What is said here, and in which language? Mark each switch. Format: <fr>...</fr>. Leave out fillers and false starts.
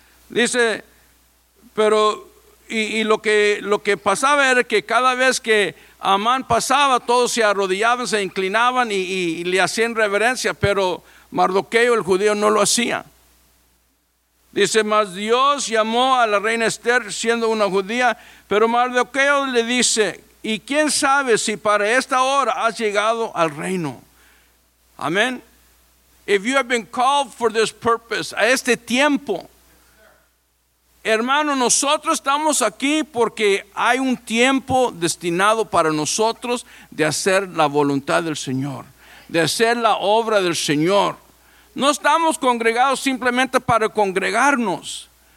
<es>Dice, pero... Y lo que pasaba era que cada vez que Amán pasaba, todos se arrodillaban, se inclinaban y le hacían reverencia, pero Mardoqueo, el judío, no lo hacía. Dice: mas Dios llamó a la reina Esther siendo una judía, pero Mardoqueo le dice: ¿y quién sabe si para esta hora has llegado al reino? Amén.</es> <en>If you have been called for this purpose,</en> <es>a este tiempo. Hermano, nosotros estamos aquí porque hay un tiempo destinado para nosotros de hacer la voluntad del Señor, de hacer la obra del Señor. No estamos congregados simplemente para congregarnos.</es>